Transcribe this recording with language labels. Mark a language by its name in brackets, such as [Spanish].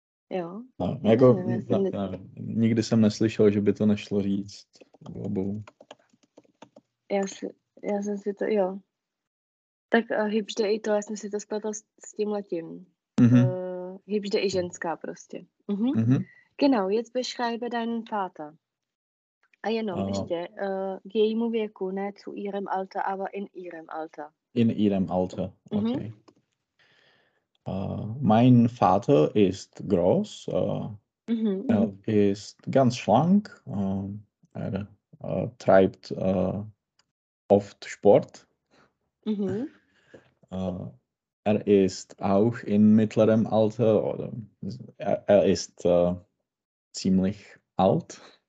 [Czech] Jo. No, jako, nikdy jsem neslyšel, že by to nešlo říct. Já jsem si to, jo. Tak hybžde i to, já jsem si to spletla s tím letím. Hybžde i ženská prostě. [German] Genau, jetzt beschreibe deinen Vater. [Czech] A jenom ještě k jejímu věku, ne zu ihrem Alter, aber in ihrem Alter. [German] In ihrem Alter, okay. Mein Vater ist groß, er ist ganz schlank, er treibt oft Sport. Er ist auch in mittlerem Alter, oder er ist ziemlich alt.